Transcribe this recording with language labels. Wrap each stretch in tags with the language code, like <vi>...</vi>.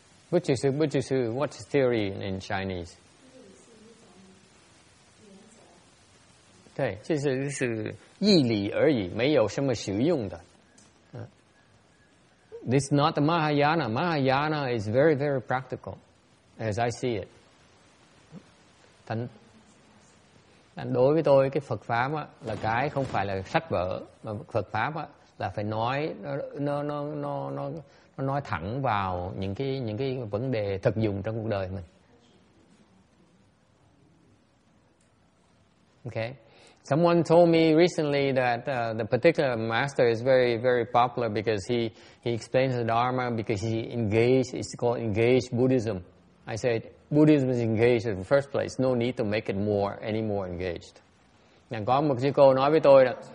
<en>Which is what is theory in Chinese?</en> <zh>对，就是义理而已，没有什么实用的。</zh> <en>This is not the Mahayana. Mahayana is very, very practical, as I see it.</en> <zh>但对于</zh> <vi>tôi, cái Phật pháp á, là cái không phải là sách vở, mà Phật pháp á, là phải nói, nó nói thẳng vào những cái vấn đề thực dụng trong cuộc đời mình.</vi> <en>Okay. Someone told me recently that the particular master is very, very popular because he explains the Dharma because he engaged, it's called engaged Buddhism. I said, Buddhism is engaged in the first place, no need to make it more, any more engaged.</en> <vi>Now, có một cô nói với tôi là...</vi>